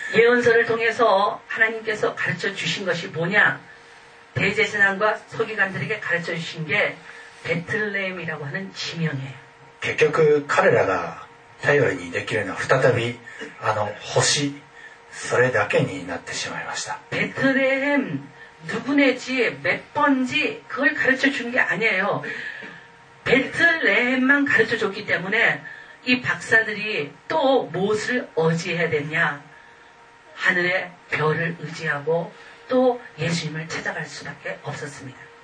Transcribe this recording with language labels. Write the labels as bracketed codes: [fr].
[ko] 예언서를 통해서 하나님께서 가르쳐 주신 것이 뭐냐? 대제사장과 서기관들에게 가르쳐 주신 게 베틀레헴이라고 하는 지명이에요. [ja] 결국 彼らが 頼りに できるのは再びあの星それだけになってしまいました。 [ko] 베틀레헴 누구네지 몇 번지 그걸 가르쳐 준 게 아니에요. 베틀레헴만 가르쳐줬기 때문에 이 박사들이 또 무엇을 의지해야 되냐 하늘의 별을 의지하고 또 예수님을 찾아갈 수밖에 없었습니다.